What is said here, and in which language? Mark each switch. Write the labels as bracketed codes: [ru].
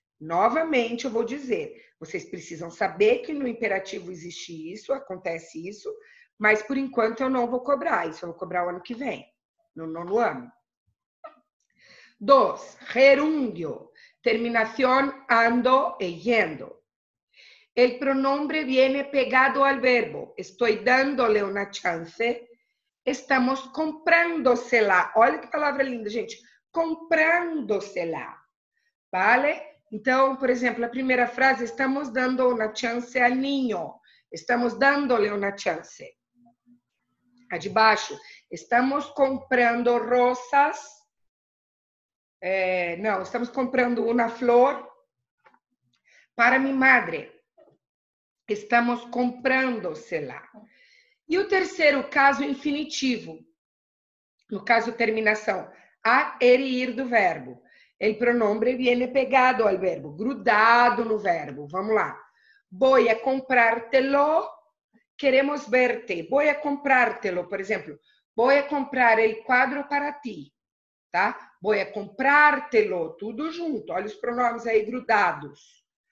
[pt] Novamente, eu vou dizer, vocês precisam saber que no imperativo existe isso, acontece isso, mas, por enquanto, eu não vou cobrar isso. Eu vou cobrar o ano que vem, no nono ano. Dois, gerúndio. Terminação ando e yendo. [es] El pronombre viene pegado al verbo. Estoy dándole una chance. Estamos comprándosela. [pt] Olha que palavra linda, gente. [es] Comprándosela. Vale? [pt] Então, por exemplo, a primeira frase, [es] estamos dando una chance al niño. Estamos dándole una chance. [pt] A de baixo, [es] estamos comprando rosas. Estamos comprando una flor para mi madre. Estamos comprándosela. [pt] E o terceiro caso, infinitivo. No caso, terminação. A, er e ir do verbo. [es] El pronombre viene pegado al verbo, [pt] grudado no verbo. Vamos lá. [es] Voy a comprártelo. Queremos verte. Voy a comprártelo, [pt] por exemplo. [es] Voy a comprar el cuadro para ti. Tá? Voy a comprártelo. [pt] Tudo junto. Olha os pronomes aí grudados.